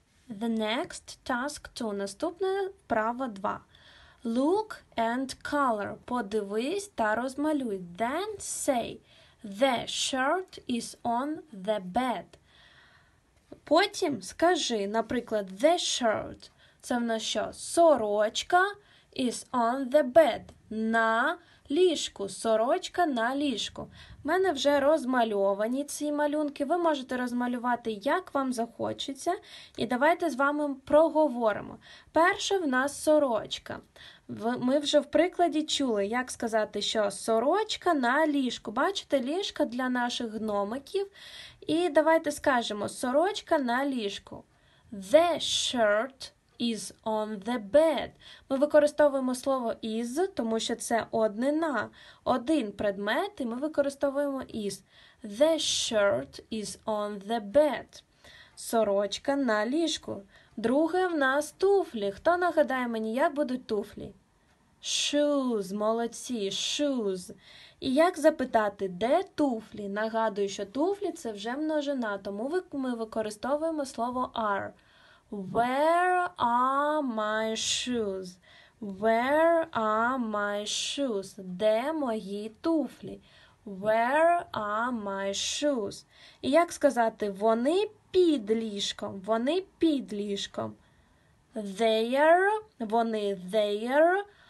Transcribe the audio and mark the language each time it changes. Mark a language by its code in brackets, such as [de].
[en] The next task 2. [uk] Наступне право 2. [en] Look and color. [uk] Подивись та розмалюй. [en] Then say. The shirt is on the bed. [uk] Потім скажи, наприклад, [en] the shirt. [uk] Це в нас що? [en] Сорочка is on the bed. [uk] На ліжку. Сорочка на ліжку. У мене вже розмальовані ці малюнки. Ви можете розмалювати, як вам захочеться. І давайте з вами проговоримо. Перше в нас сорочка. Ми вже в прикладі чули, як сказати, що сорочка на ліжку. Бачите, ліжка для наших гномиків. І давайте скажемо сорочка на ліжку. [en] The shirt is on the bed. [uk] Ми використовуємо слово is, тому що це однина. Один предмет, і ми використовуємо is. [en] The shirt is on the bed. [uk] Сорочка на ліжку. Друге в нас туфлі. Хто нагадає мені, як будуть туфлі? [en] Shoes, молодці, shoes. [uk] І як запитати, де туфлі? Нагадую, що туфлі – це вже множина, тому ми використовуємо слово are. [en] Where are my shoes? Where are my shoes? [uk] Де мої туфлі? [en] Where are my shoes? [uk] І як сказати, вони під ліжком? Вони під ліжком. [en] There, [uk] вони [en] there.